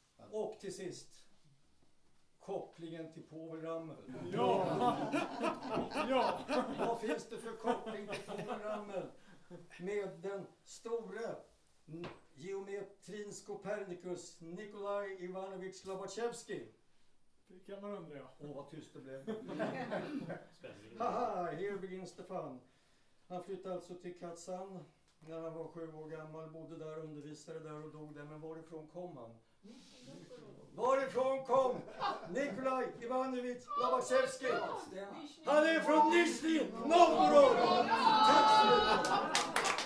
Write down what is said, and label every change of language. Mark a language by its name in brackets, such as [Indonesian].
[Swedish] Och till sist, kopplingen till Povel Ramel. Ja! Ja! Vad finns det för koppling till Povel Ramel med den stora geometrins Copernicus Nikolaj Ivanovich Lobachevsky? Det kan man undra, ja. Åh, vad tyst det blev. [English] Haha, here begins the fun. [Swedish] Han flyttade alltså till Kazan när han var 7 år gammal, bodde där, undervisade där och dog där. Men varifrån kom han? Varifrån kom Nikolaj Ivanovich Lobachevsky? Han är från Nizhny Novgorod! Tack så mycket!